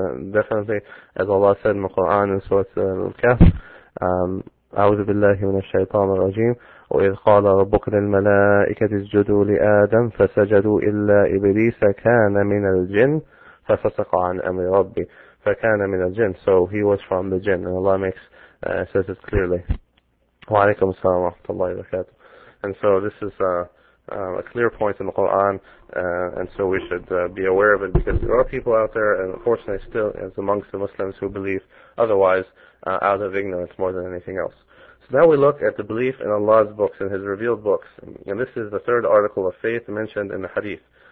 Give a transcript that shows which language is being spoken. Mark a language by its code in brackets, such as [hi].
[en] Definitely, as Allah said in the Quran in Surah Al-Kahf, [ar] أعوذ بالله من الشيطان الرجيم وإذ قال ربك للملائكة اسجدوا لآدم فسجدوا إلا إبليس كان من الجن ففسق عن أمر ربي فكان من الجن. [en] So he was from the jinn, and Allah makes says it clearly. [ar] وعليكم السلام ورحمة الله وبركاته. [en] And so this is a clear point in the Quran, and so we should be aware of it, because there are people out there, and unfortunately still as amongst the Muslims, who believe otherwise out of ignorance more than anything else. So now we look at the belief in Allah's books and His revealed books, and this is the third article of faith mentioned in the Hadith.